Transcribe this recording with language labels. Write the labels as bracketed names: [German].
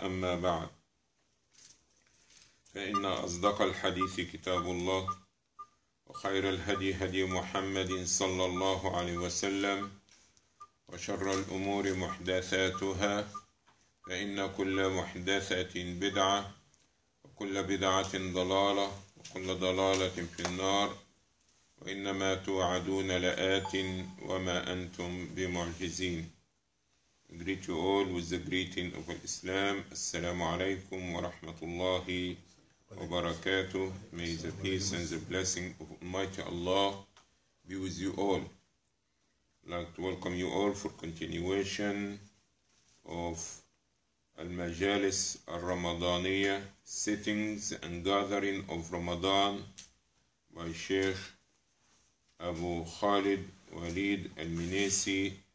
[Arabic] أما بعد، فإن أصدق الحديث كتاب الله، وخير الهدي هدي محمد صلى الله عليه وسلم، وشر الأمور محدثاتها، فإن كل محدثة بدعة، وكل بدعة ضلالة، وكل ضلالة في النار، وإنما توعدون لآت وما أنتم بمعجزين. [English] Greet you all with the greeting of Islam. [Arabic] السلام عليكم ورحمة الله وبركاته. [English] May the peace and the blessing of Almighty Allah be with you all. I'd like to welcome you all for continuation of Al-Majalis Al-Ramadaniya, sittings and gathering of Ramadan by Sheikh Abu Khalid Walid Al-Minesi.